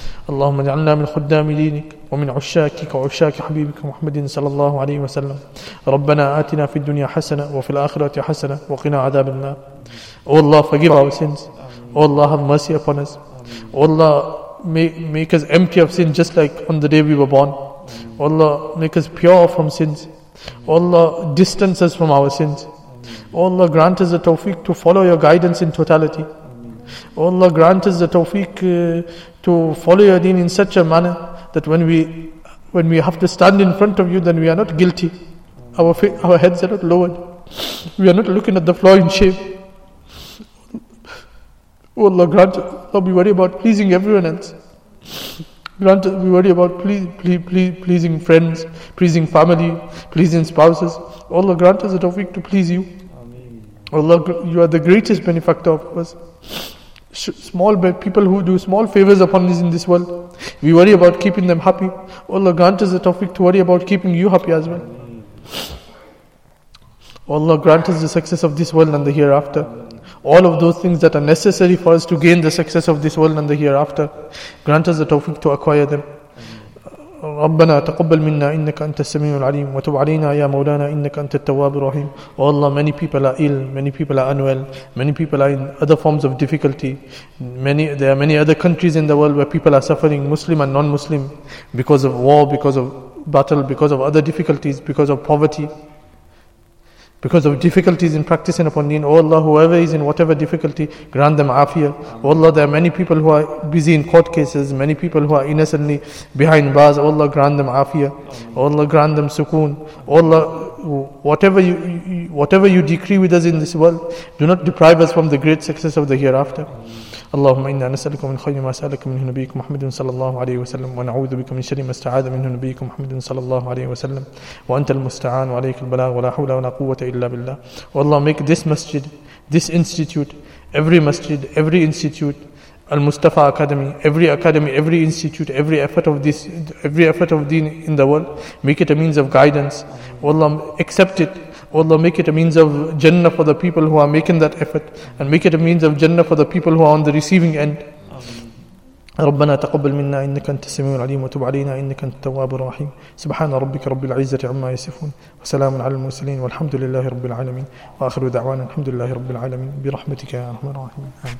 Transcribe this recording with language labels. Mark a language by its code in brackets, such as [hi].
[ar] اللهم اجعلنا من خدام دينك ومن عشاكك وعشاك حبيبك محمد صلى الله عليه وسلم ربنا آتنا في الدنيا حسنة وفي الآخرة حسنة وقنا عذاب النار والله [en] forgive our sins [ar] والله [en] have mercy upon us [ar] والله [en] make us empty of sin just like on the day we were born. O Allah, make us pure from sins. O Allah, distance us from our sins. O Allah, grant us the tawfiq to follow your guidance in totality. O Allah, grant us the tawfiq to follow your deen in such a manner that when we have to stand in front of you, then we are not guilty. Our heads are not lowered. We are not looking at the floor in shame. Oh Allah, grant us, we worry about pleasing everyone else. Grant us, we worry about pleasing friends, pleasing family, pleasing spouses. Oh Allah, grant us the tawfiq to please you. Amen. Oh Allah, you are the greatest benefactor of us. Small people who do small favors upon us in this world, we worry about keeping them happy. Oh Allah, grant us the tawfiq to worry about keeping you happy as well. Oh Allah, grant us the success of this world and the hereafter. All of those things that are necessary for us to gain the success of this world and the hereafter, grant us the tawfiq to acquire them. [ar] ربنا تقبل منا إنك أنت السميع العليم وتب علينا يا مولانا إنك أنت التواب الرحيم. [en] Oh Allah, many people are ill, many people are unwell, many people are in other forms of difficulty. There are many other countries in the world where people are suffering, Muslim and non-Muslim, because of war, because of battle, because of other difficulties, because of poverty, because of difficulties in practicing upon deen. Oh Allah, whoever is in whatever difficulty, grant them afia. Oh Allah, there are many people who are busy in court cases, many people who are innocently behind bars. Oh Allah, grant them afia. Oh Allah, grant them sukoon. Oh Allah, whatever you decree with us in this world, do not deprive us from the great success of the hereafter. [ar] اللهم إنا نسألك من خير ما سألك منه نبيك محمد صلى الله عليه وسلم ونعوذ بك من شر ما استعاذ منه نبيك محمد صلى الله عليه وسلم وأنت المستعان وعليك البلاغ ولا حول ولا قوة إلا بالله. [en] والله make this masjid, this institute, every masjid, every institute, Al-Mustafa Academy, every institute, every effort of deen in the world, make it a means of guidance. والله accept it. Allah, make it a means of Jannah for the people who are making that effort, and make it a means of Jannah for the people who are on the receiving end. [ar] ربنا تقبل منا إنك أنت السميع العليم وتب علينا إنك أنت التواب الرحيم. سبحان ربك رب العزة عما يصفون وسلام على المرسلين والحمد لله رب العالمين وآخر دعوانا الحمد لله رب العالمين برحمتك يا أرحم الراحمين.